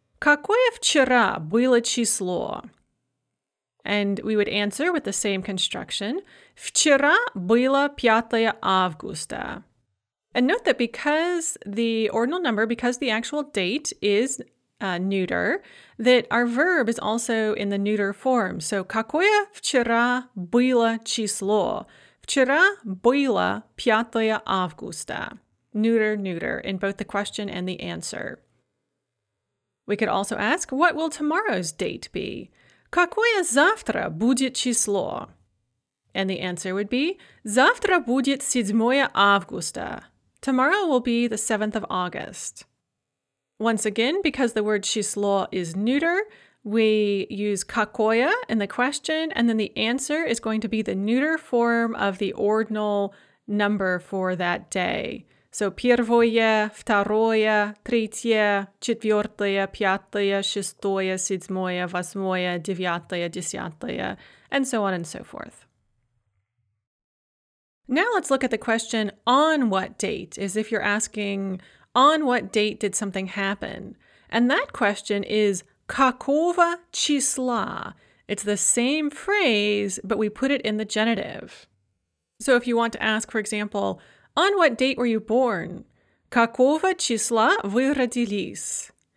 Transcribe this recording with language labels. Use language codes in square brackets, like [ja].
[ru] Какое вчера было число? [en] And we would answer with the same construction, [ru] вчера было 5 августа. [en] And note that because the ordinal number, because the actual date is neuter, that our verb is also in the neuter form. So, [ru] какое вчера было число? Вчера было 5 августа. [en] Neuter, neuter, in both the question and the answer. We could also ask, what will tomorrow's date be? [ru] Какое завтра будет число? [en] And the answer would be, [ru] завтра будет 7 августа. [en] Tomorrow will be the 7th of August. Once again, because the word число is neuter, we use какое in the question, and then the answer is going to be the neuter form of the ordinal number for that day. [ru] So, первое, второе, третье, четвертое, пятое, шестое, седьмое, восьмое, девятое, десятое, [en] and so on and so forth. Now let's look at the question, on what date, as if you're asking, on what date did something happen? And that question is, [ru] какого числа? [en] It's the same phrase, but we put it in the genitive. So if you want to ask, for example, on what date were you born? [ru] Какого числа вы родились?